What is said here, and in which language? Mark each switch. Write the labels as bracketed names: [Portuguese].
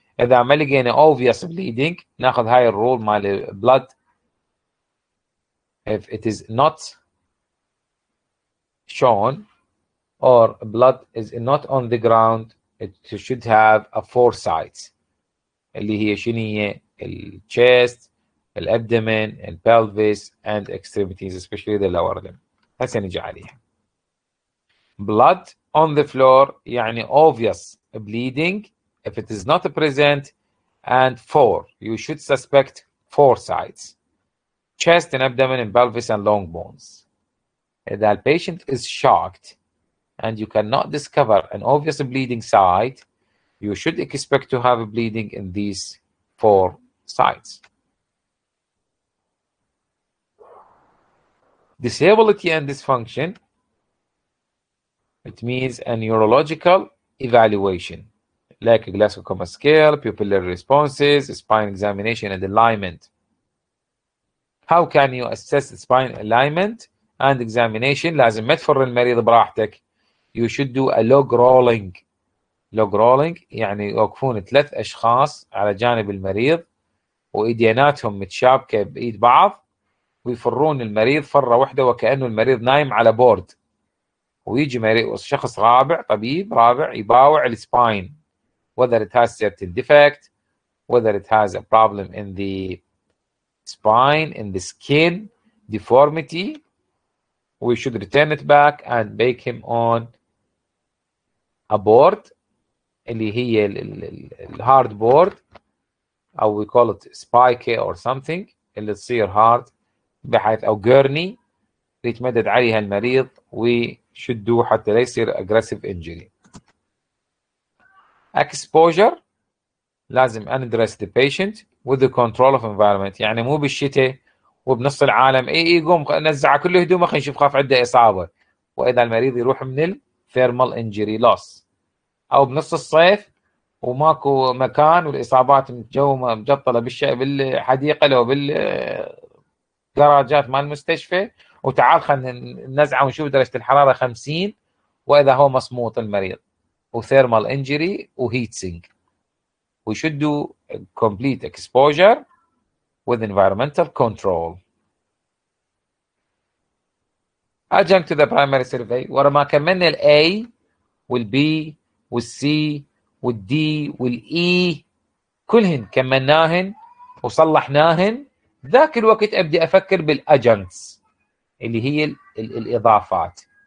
[Arabic] إذا ما لقينا obvious bleeding ناخذ هاي الرول مال blood. [English] If it is not shown or blood is not on the ground, it should have a four sites. [Arabic] اللي هي شنية الشيست الابدمن البلفيس [English] and extremities, especially the lower limb. [Arabic] هسه نجي عليها. [English] Blood on the floor يعني obvious bleeding if it is not present, and four, you should suspect four sites, chest and abdomen and pelvis and long bones. If the patient is shocked and you cannot discover an obvious bleeding site, you should expect to have a bleeding in these four sites. Disability and dysfunction, it means a neurological evaluation, like a Glasgow Coma Scale, pupillary responses, spine examination and alignment. How can you assess spine alignment? and examination. [Arabic] لازم ما تفر المريض براحتك. [English] You should do a log rolling. [Arabic] Log rolling يعني يوقفون ثلاث أشخاص على جانب المريض وإيديناتهم متشابكة بإيد بعض ويفرون المريض فرة واحدة وكأنه المريض نايم على بورد. ويجي شخص رابع طبيب رابع يباوع السباين. [English] Whether it has certain defect, whether it has a problem in the spine, in the skin, deformity, we should return it back and make him on a board, [Arabic] اللي هي الهارد بورد, [English] أو we call it spiky or something, [Arabic] اللي تصير هارد بحيث أو جيرني اللي يتمدد عليها المريض ويشدو حتى لا يصير [English] aggressive injury. Exposure, لازم address the patient with the control of environment. [Arabic] يعني مو بالشتاء وبنص العالم إيه يقوم نزع كل هدومه خلينا نشوف خاف عنده إصابة. وإذا المريض يروح من ال thermal injury loss أو بنص الصيف وماكو مكان والإصابات الجو مجطلة بالشيء بالحديقة أو بالدراجات مال المستشفى وتعال خلينا نزع ونشوف درجة الحرارة 50 وإذا هو مصموط المريض وthermal injury وheating. [English] We should do complete exposure with environmental control. Adjunct to the primary survey. [Arabic] ورا ما كملنا ال A وال B وال C وال D وال E كلهن كملناهن وصلحناهن ذاك الوقت أبدي أفكر بالأجنكس اللي هي الإضافات.